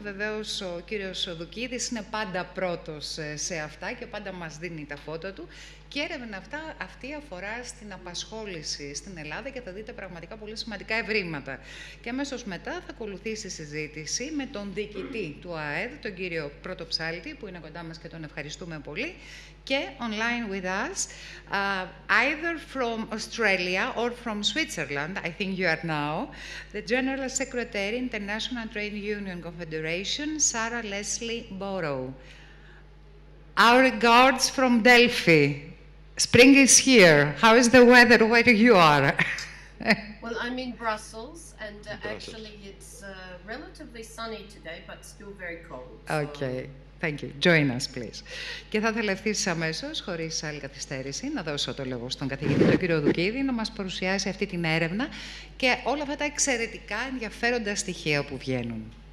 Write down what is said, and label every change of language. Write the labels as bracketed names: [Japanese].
[Greek] Βεβαίως, ο κύριος Δουκίδης είναι πάντα πρώτος σε αυτά και πάντα μας δίνει τα φώτα του. Και έρευνα αυτή αφορά στην απασχόληση στην Ελλάδα και θα δείτε πραγματικά πολύ σημαντικά ευρήματα. Και αμέσως μετά θα ακολουθήσει η συζήτηση με τον διοικητή του ΟΑΕΔ, τον κύριο Πρωτοψάλτη, που είναι κοντά μας και τον ευχαριστούμε πολύ. [English] Και online with us, either from Australia or from Switzerland, I think you are now, the General Secretary, International Trade Union Confederation, Sarah Leslie Burrow. Our regards from Delphi. Spring is here. How is the weather where you are? Well, I'm in Brussels, and actually it's relatively sunny today, but still very cold. So. Okay. Thank you. Join us, please. [Greek] Και θα θελευθήσει αμέσως, χωρίς άλλη καθυστέρηση, να δώσω το λόγο στον καθηγητή, τον κύριο Δουκίδη, να μας παρουσιάσει αυτή την έρευνα και όλα αυτά τα εξαιρετικά ενδιαφέροντα στοιχεία που βγαίνουν.